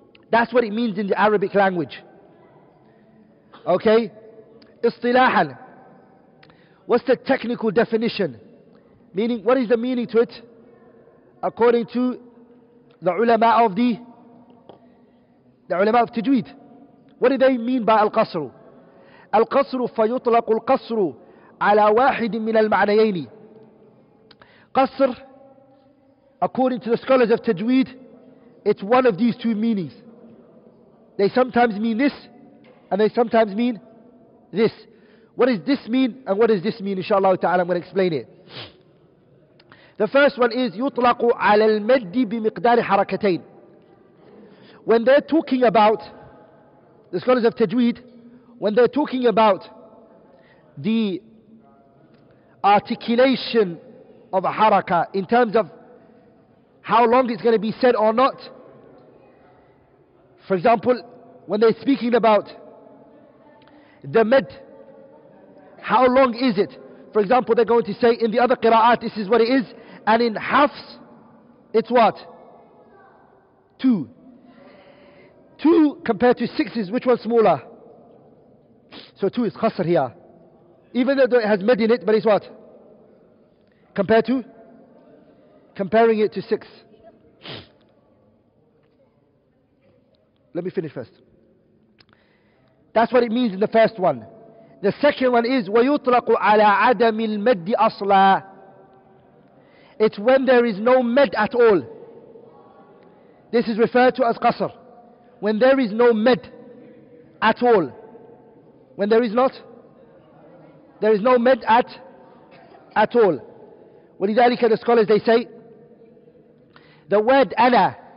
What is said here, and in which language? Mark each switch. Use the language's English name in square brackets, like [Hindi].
[English] That's what it means in the Arabic language. Okay? [Arabic] اصطلاحا, [English] what's the technical definition? Meaning, what is the meaning to it? According to the ulama of tajweed. What do they mean by al-qasr? [Arabic] Al-qasr, فيطلق القصر على واحد من المعنيين. [English] Qasr, according to the scholars of tajweed, it's one of these two meanings. They sometimes mean this, and they sometimes mean this. What does this mean and what does this mean? Inshallah ta'ala, I'm going to explain it. The first one is [Arabic] يطلق على المد بمقدار حركتين. [English] When they're talking about, the scholars of Tajweed, when they're talking about the articulation of a haraka in terms of how long it's going to be said or not, for example, when they're speaking about the med, how long is it? For example, they're going to say in the other qira'at, this is what it is. And in hafs, it's what? Two. Two compared to sixes, which one's smaller? So two is khasr here. Even though it has med in it, but it's what? Compared to? Comparing it to six. Let me finish first. That's what it means in the first one. The second one is [Arabic] ويطلق على عدم المد أصلا. [English] It's when there is no med at all. This is referred to as قصر. When there is no med at all. When there is not, there is no med at all. [Arabic] ولذلك [English] the scholars, they say the word ana.